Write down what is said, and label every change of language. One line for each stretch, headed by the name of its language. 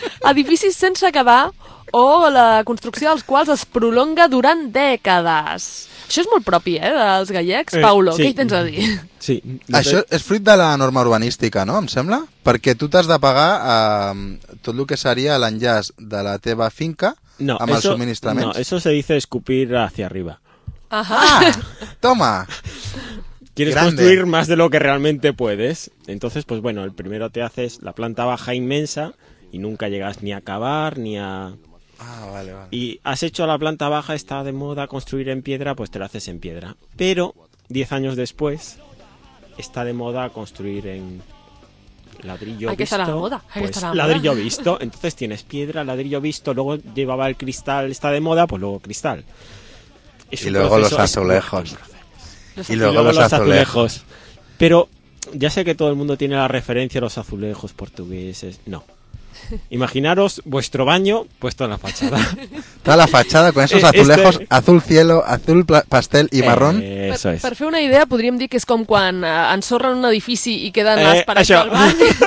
Catalan: Edificis sense acabar o la construcció dels quals es prolonga durant dècades. Això és molt propi, dels gallecs. Paulo, sí. Què hi tens a dir? Sí. Això és fruit de la norma urbanística, no, em sembla? Perquè tu t'has de pagar tot el que seria l'enllaç de la teva finca amb els subministraments.
Spanish: No, eso se dice escupir hacia arriba. Ajá. Toma! Quieres Grande. Construir más de lo que realmente puedes. Entonces, pues bueno, el primero te haces la planta baja inmensa y nunca llegas ni a acabar ni a... Ah, vale. Y has hecho la planta baja, está de moda construir en piedra, pues te lo haces en piedra. Pero 10 años después está de moda construir en ladrillo visto. Hay que estar a la moda. Pues la ladrillo moda. Visto. Entonces tienes piedra, ladrillo visto, luego llevaba el cristal, está de moda, pues luego cristal. Y luego los azulejos. Y luego los azulejos. Pero ya sé que todo el mundo tiene la referencia a los azulejos portugueses. No. Imaginaros vuestro baño puesto en la fachada. Toda la fachada con esos azulejos, azul cielo, azul pastel y marrón. Eso es.
Catalan: Per fer una idea, podríem dir que és com quan ensorren un edifici i queden les parets del bany.